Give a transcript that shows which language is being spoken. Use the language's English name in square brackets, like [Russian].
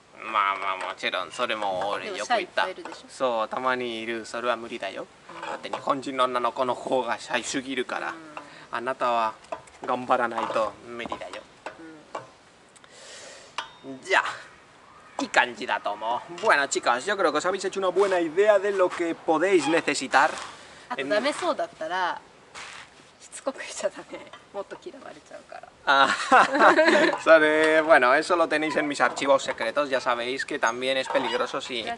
[Japanese] まあまあもちろんそれも俺よく言った、そうたまにいる、それは無理だよ、うん、だって日本人の女の子の方がシャイすぎるから、うん、あなたは頑張らないと無理だよ、うん、じゃあいい感じだと思う。 [Spanish] Bueno, chicos, yo creo que os habéis hecho una buena idea de lo que podéis necesitar. [Japanese] あとダメそうだったら、しつこくしちゃダメ。もっと嫌われちゃうから。 [Spanish] それ、bueno, eso lo tenéis en mis archivos secretos. Ya sabéis que también es peligroso si...